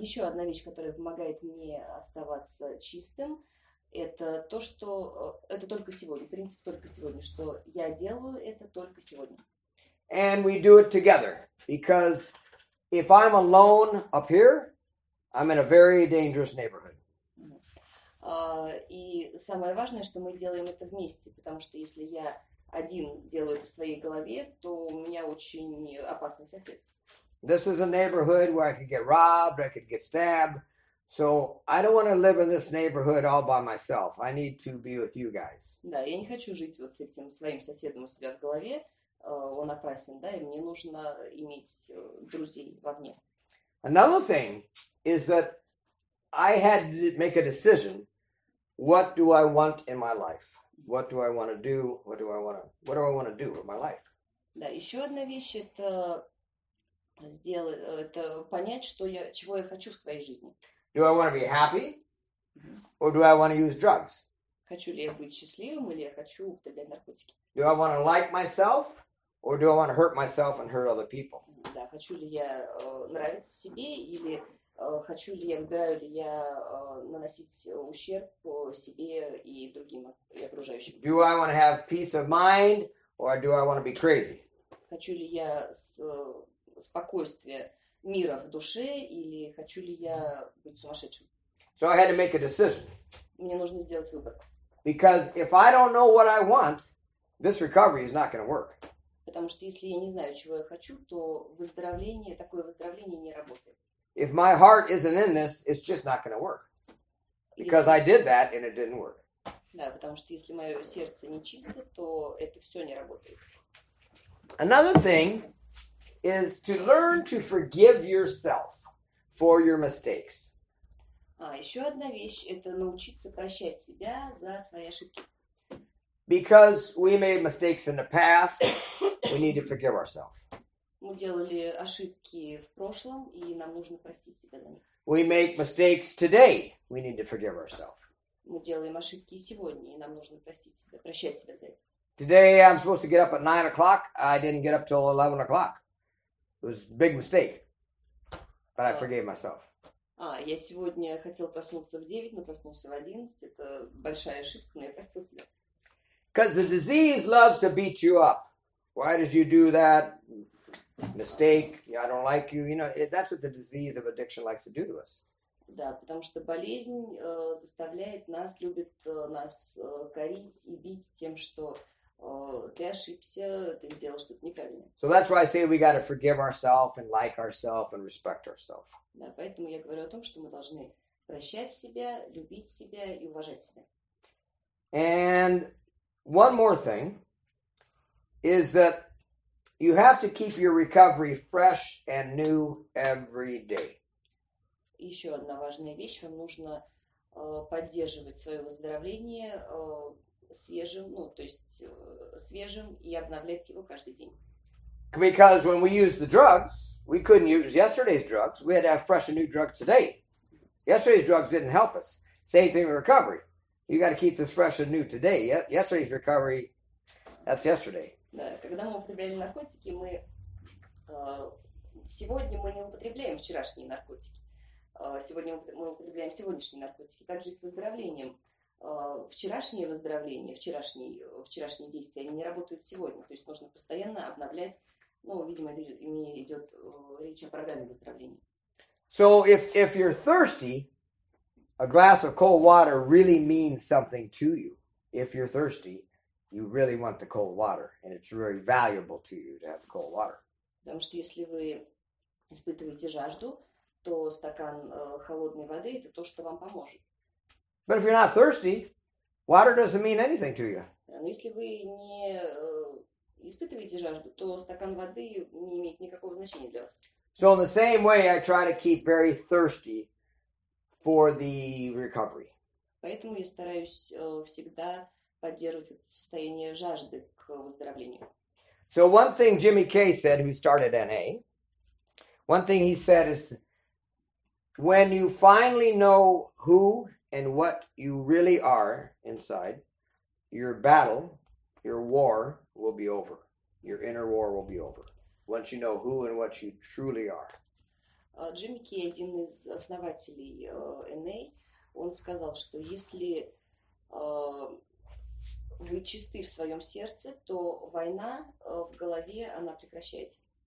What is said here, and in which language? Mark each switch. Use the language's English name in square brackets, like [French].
[Russian] Еще одна вещь, которая помогает мне оставаться чистым, это то, что это только сегодня, принцип только сегодня, что я делаю это только сегодня. [English] And we do it together, because if I'm alone up here, I'm in a very dangerous neighborhood. [Russian] И самое важное, что мы делаем это вместе, потому что если я один делаю это в своей голове, то у меня очень опасный сосед. [English] This is a neighborhood where I could get robbed, I could get stabbed. So I don't want to live in this neighborhood all by myself. I need to be with you guys. [Russian] Да, я не хочу жить вот с этим своим соседом у себя в голове. Он опасен, да, и мне нужно иметь друзей вовне. [English] Another thing is that I had to make a decision. What do I want in my life? What do I want to do? What do I want to do with my life? [Russian] Да, еще одна вещь это сделать, это понять, что я, чего я хочу в своей жизни. [English] Do I want to be happy, or do I want to use drugs? [Russian] Хочу ли я быть счастливым или я хочу употреблять наркотики? [English] Do I want to like myself, or do I want to hurt myself and hurt other people? [Russian] Да, хочу ли я нравиться себе или хочу ли я, выбираю ли я наносить ущерб по себе и другим, и окружающим? [English] Do I want to have peace of mind, or do I want to be crazy? [Russian] Хочу ли я спокойствие мира в душе, или хочу ли я быть сумасшедшим? [English] So I had to make a decision. [Russian] Мне нужно сделать выбор. [English] Because if I don't know what I want, this recovery is not going to work. [Russian] Потому что если я не знаю, чего я хочу, то выздоровление, такое выздоровление не работает. [English] If my heart isn't in this, it's just not going to work. Because I did that and it didn't work. [Russian] Да, потому что если мое сердце не чисто, то это все не работает. [English] Another thing is to learn to forgive yourself for your mistakes. [Russian] Еще одна вещь – это научиться прощать себя за свои ошибки. [English] Because we made mistakes in the past, we need to forgive ourselves. [Russian] Мы делали ошибки в прошлом, и нам нужно простить себя за них. [English] We make mistakes today. We need to forgive ourselves. [Russian] Мы делаем ошибки сегодня, и нам нужно простить себя, прощать себя за это. [English] Today I'm supposed to get up at 9 o'clock. I didn't get up till 11 o'clock. It was a big mistake. But I forgave myself. [Russian] Я сегодня хотел проснуться в 9, но проснулся в 11. Это большая ошибка, но я простил себя. [English] Because the disease loves to beat you up. Why did you do that? Mistake. I don't like you. You know, that's what the disease of addiction likes to do to us. [Russian] Да, потому что болезнь заставляет нас, любит нас корить и бить тем, что ты ошибся, ты сделал что-то неправильно. [English] So that's why I say we got to forgive ourselves and like ourselves and respect ourselves. [Russian] Да, поэтому я говорю о том, что мы должны прощать себя, любить себя и уважать себя. [English] And one more thing is that you have to keep your recovery fresh and new every day. [Russian] Еще одна важная вещь. Вам нужно поддерживать свое выздоровление свежим, ну, то есть свежим и обновлять его каждый день. [English] Because when we use the drugs, we couldn't use yesterday's drugs. We had to have fresh and new drugs today. Yesterday's drugs didn't help us. Same thing with recovery. You got to keep this fresh and new today. Yesterday's recovery, that's yesterday. [Russian] Да, когда мы употребляли наркотики, мы сегодня мы не употребляем вчерашние наркотики. Сегодня мы употребляем сегодняшние наркотики. Также и с выздоровлением. Вчерашнее выздоровление, вчерашние действия, они не работают сегодня. То есть нужно постоянно обновлять. Ну, видимо, идет речь о программе выздоровления. [English] So if you're thirsty, a glass of cold water really means something to you. If you're thirsty, you really want the cold water, and it's very valuable to you to have cold water. [Russian] Потому что если вы испытываете жажду, то стакан холодной воды это то, что вам поможет. [English] But if you're not thirsty, water doesn't mean anything to you. [Russian] Но если вы не испытываете жажду, то стакан воды не имеет никакого значения для вас. [English] So in the same way, I try to keep very thirsty for the recovery. [Russian] Поэтому я стараюсь всегда поддерживать это состояние жажды к выздоровлению. [English] So one thing Jimmy Kay said, who started NA, one thing he said is, when you finally know who and what you really are inside, your battle, your war will be over. Your inner war will be over. Once you know who and what you truly are. [Russian] Джимми Кей, один из основателей NA, он сказал, что если вы чисты в своем сердце, то война в голове, она прекращается.